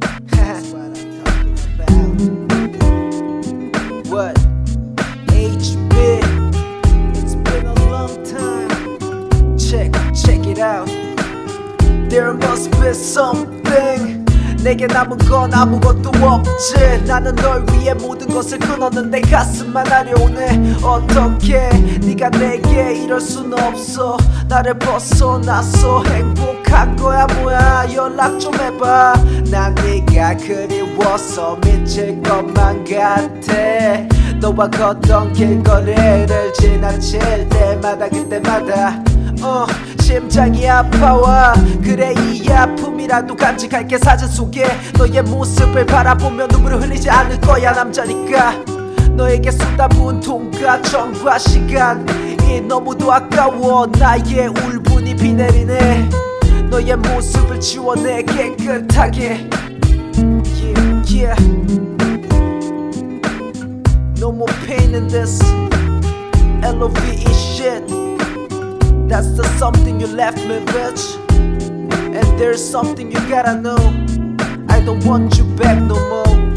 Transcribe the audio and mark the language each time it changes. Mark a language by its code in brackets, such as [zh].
[en] That's what I'm talking about. What? HB, it's been a long time. Check it out. There must be something. [ko] 내게 남은 건 아무것도 없지. 나는 널 위해 모든 것을 끊었는데 가슴만 아려오네. 어떻게 네가 내게 이럴 순 없어. 나를 벗어났어. 행복한 거야 뭐야. 연락 좀 해봐. 난 네가 그리워서 미칠 것만 같아. 너와 걷던 길거리를 지나칠 때마다 그때마다 심장이 아파와. 그래 이 아픔이라도 간직할게 사진 속에. 너의 모습을 바라보며 눈물을 흘리지 않을 거야. 남자니까 너에게 쏟아 부은 돈과 정과 시간이 너무도 아까워. 나의 울분이 비 내리네. 너의 모습을 지워내 깨끗하게. [en] Yeah, yeah. No more pain in this L.O.V.E. shit. That's the something you left me, bitch. And there's something you gotta know. I don't want you back no more.